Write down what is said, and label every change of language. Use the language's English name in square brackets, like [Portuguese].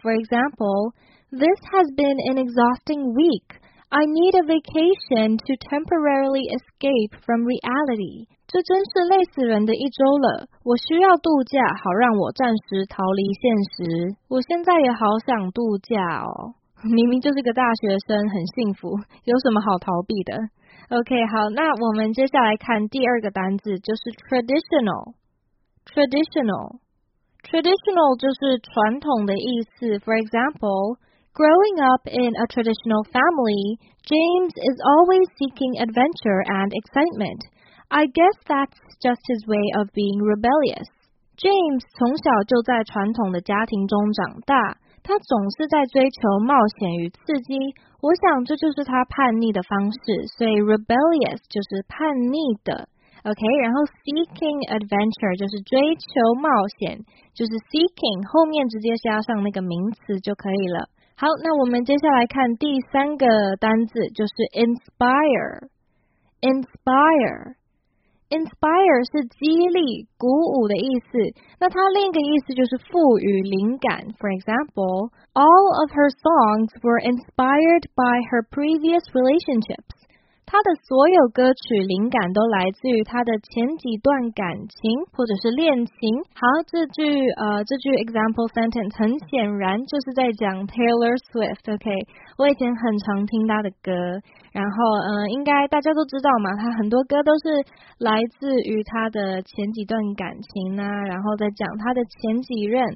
[English] For example, This has been an exhausting week. I need a vacation to temporarily escape from reality. [Chinese] 这真是累死人的一周了，我需要度假好让我暂时逃离现实。我现在也好想度假哦，明明就是个大学生很幸福，有什么好逃避的。 OK， 好，那我们接下来看第二个单字，就是 traditional 就是传统的意思。 [English] For example, Growing up in a traditional family, James is always seeking adventure and excitement. I guess that's just his way of being rebellious. [Chinese] James 从小就在传统的家庭中长大，他总是在追求冒险与刺激，我想这就是他叛逆的方式，所以 rebellious 就是叛逆的。 OK， 然后 [English] seeking adventure [Chinese] 就是追求冒险，就是 seeking 后面直接加上那个名词就可以了。好，那我们接下来看第三个单字，就是 inspire 是激励鼓舞的意思，那它另一个意思就是赋予灵感。 [English] For example, All of her songs were inspired by her previous relationships. [Chinese] 她的所有歌曲灵感都来自于她的前几段感情或者是恋情。好，这句 [English] example sentence [Chinese] 很显然就是在讲 Taylor Swift。 OK， 我以前很常听她的歌，然后应该大家都知道嘛，他很多歌都是来自于他的前几段感情啊，然后再讲他的前几任。